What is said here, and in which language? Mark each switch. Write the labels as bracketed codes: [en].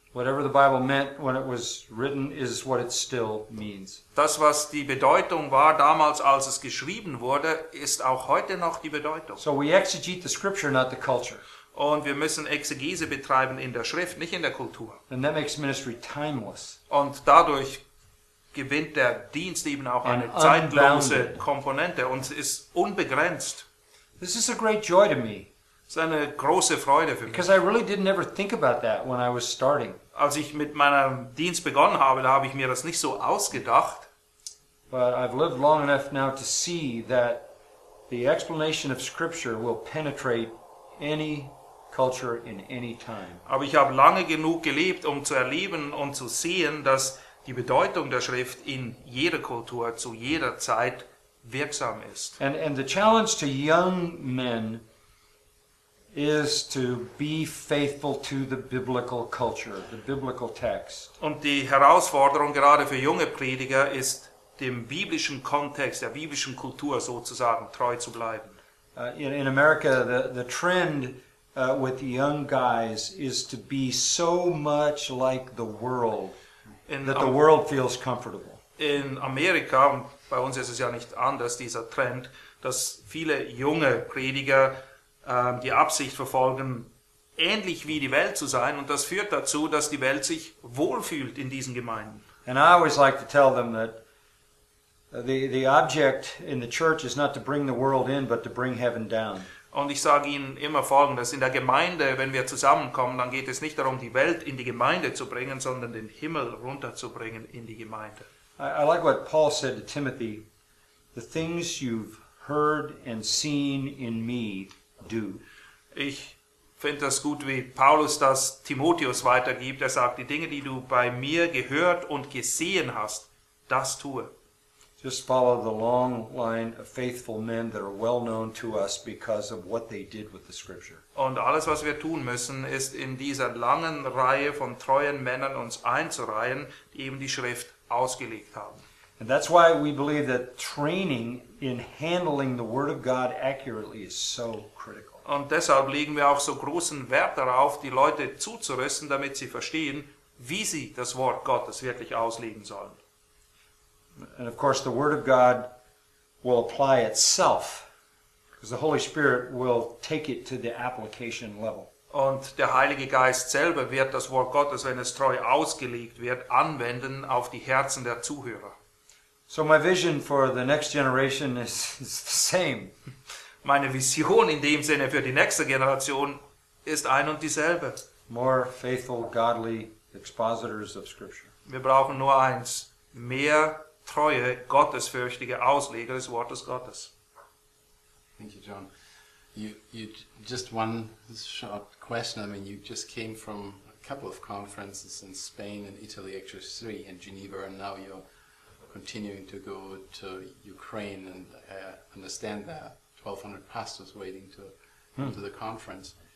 [en] Whatever the Bible meant when it was written is what it still means. [de] Das, was die Bedeutung war damals, als es geschrieben wurde, ist auch heute noch die Bedeutung. [en] So we exegete the scripture, not the culture. [de] Und wir müssen Exegese betreiben in der Schrift, nicht in der Kultur. [en] And that makes ministry timeless. [de] Und dadurch gewinnt der Dienst eben auch eine zeitlose Komponente und ist unbegrenzt. [en] This is a great joy to me. [de] Es ist eine große Freude für mich. [en] Because I really didn't ever think about that when I was starting. [de] Als ich mit meinem Dienst begonnen habe, da habe ich mir das nicht so ausgedacht. [en] But I've lived long enough now to see that the explanation of Scripture will penetrate any culture in any time. [de] Aber ich habe lange genug gelebt, um zu erleben und zu sehen, dass die Bedeutung der Schrift in jeder Kultur zu jeder Zeit wirksam ist. [en] And the challenge to young men is to be faithful to the biblical culture, the biblical text. [de] Und die Herausforderung gerade für junge Prediger ist, dem biblischen Kontext, der biblischen Kultur sozusagen treu zu bleiben. [en] In America, the trend with the young guys is to be so much like the world that the world feels comfortable. [de] In Amerika, und bei uns ist es ja nicht anders, dieser Trend, dass viele junge Prediger die Absicht verfolgen, ähnlich wie die Welt zu sein, und das führt dazu, dass die Welt sich wohlfühlt in diesen Gemeinden. [en] And I always like to tell them that the object in the church is not to bring the world in, but to bring heaven down. [de] Und ich sage ihnen immer Folgendes: In der Gemeinde, wenn wir zusammenkommen, dann geht es nicht darum, die Welt in die Gemeinde zu bringen, sondern den Himmel runterzubringen in die Gemeinde. [en] I like what Paul said to Timothy: The things you've heard and seen in me, do. [de] Ich finde das gut, wie Paulus das Timotheus weitergibt. Er sagt, die Dinge, die du bei mir gehört und gesehen hast, das tue. [en] Just follow the long line of faithful men that are well known to us because of what they did with the scripture. [de] Und alles, was wir tun müssen, ist in dieser langen Reihe von treuen Männern uns einzureihen, die eben die Schrift ausgelegt haben. [en] And that's why we believe that training in handling the Word of God accurately is so critical. [de] Und deshalb legen wir auch so großen Wert darauf, die Leute zuzurüsten, damit sie verstehen, wie sie das Wort Gottes wirklich auslegen sollen. [en] And of course the Word of God will apply itself, because the Holy Spirit will take it to the application level. [de] Und der Heilige Geist selber wird das Wort Gottes, wenn es treu ausgelegt wird, anwenden auf die Herzen der Zuhörer. [en] So my vision for the next generation is the same. [de] Meine Vision in dem Sinne für die nächste Generation ist ein und dieselbe. [en] More faithful, godly expositors of Scripture. [de] Wir brauchen nur eins: mehr treue, gottesfürchtige Ausleger des Wortes Gottes. [en] Thank you, John. You just one short question. I mean, you just came from a couple of conferences in Spain and Italy, actually three in Geneva, and now you're continuing to go to Ukraine, and I understand that 1,200 pastors waiting to come to the conference.